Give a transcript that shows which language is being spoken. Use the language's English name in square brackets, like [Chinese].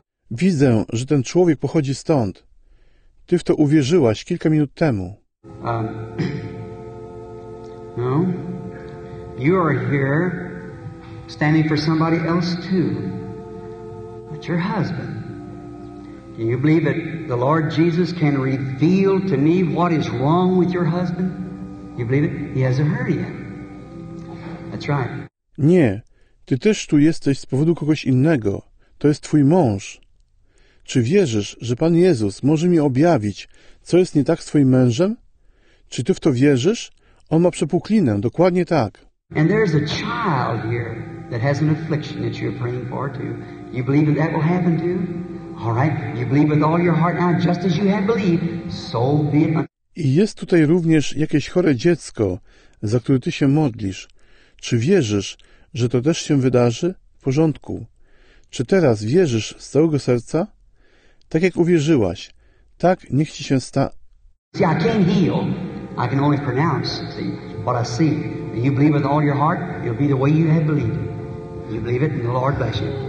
[Polish] Widzę, że ten człowiek pochodzi stąd. Ty w to uwierzyłaś kilka minut temu. [English] No, you are here standing for somebody else too. But your husband. Do you believe that the Lord Jesus can reveal to me what is wrong with your husband? You believe it? He has a hernia. That's right. [Polish] Nie. Ty też tu jesteś z powodu kogoś innego. To jest twój mąż. Czy wierzysz, że Pan Jezus może mi objawić, co jest nie tak z twoim mężem? Czy ty w to wierzysz? On ma przepuklinę. Dokładnie tak. [English] And there's a child here that has an affliction that you're praying for too. You believe that that will happen too? All right. You believe with all your heart now, just as you have believed, so be it. [Polish] I jest tutaj również jakieś chore dziecko, za które ty się modlisz. Czy wierzysz, że to też się wydarzy? W porządku. Czy teraz wierzysz z całego serca? Tak jak uwierzyłaś, tak niech ci się sta. [English] See, I can't heal. I can only pronounce, see, what I see. And you believe with all your heart, it'll be the way you have believed. You believe it, and the Lord bless you.